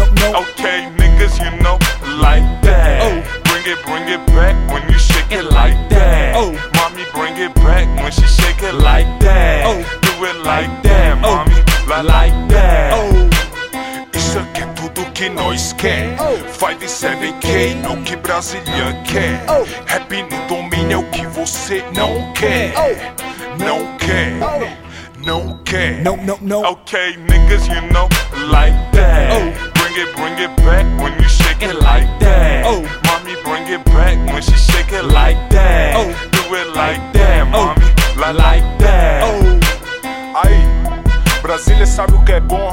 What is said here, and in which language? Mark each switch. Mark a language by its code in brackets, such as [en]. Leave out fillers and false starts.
[en] Ok, niggas, you know, like that. Bring it back when you shake it like that. Mommy, bring it back when she shake it like that. Do it like that, mommy, like that. [pt] Isso aqui é tudo que nós quer. 5 e 7 K, não que Brasília quer. Rap no domínio é o que você não quer. Não quer, não quer. Não. [en] Ok, niggas, you know, like that. Bring it back when you shake it like that. Mommy, bring it back when she shake it like that. Do it like that, mommy, like that. [pt] Aí, Brasília sabe o que é bom.